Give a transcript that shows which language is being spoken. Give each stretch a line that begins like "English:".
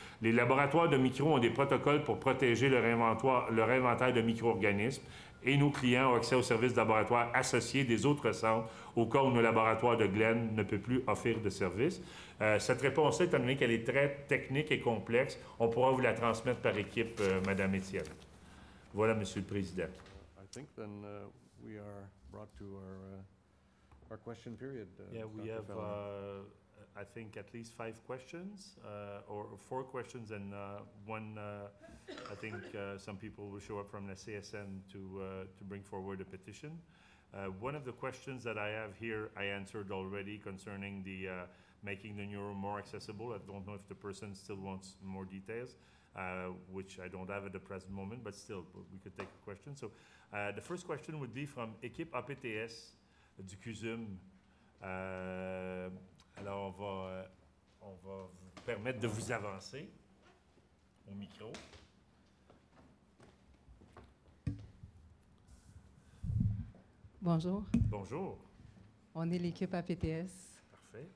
French: Les laboratoires de micro ont des protocoles pour protéger leur inventaire de micro-organismes et nos clients ont accès aux services de laboratoire associés des autres centres au cas où nos laboratoires de Glen ne peuvent plus offrir de services. Cette réponse-là, étant donné qu'elle est très technique et complexe, on pourra vous la transmettre par équipe, Mme Etienne. Voilà, M. le Président.
English: I think then we are brought to our question period. Yeah, we have I think at least five questions or four questions, and one I think some people will show up from the CSN to bring forward a petition. One of the questions that I have here, I answered already concerning the making the neuro more accessible. I don't know if the person still wants more details, which I don't have at the present moment, but still, we could take a question. So the first question would be from Equipe APTS du CUSUM.
French: Alors, on va vous permettre de vous avancer au micro. Bonjour. Bonjour. On est l'équipe APTS. Parfait.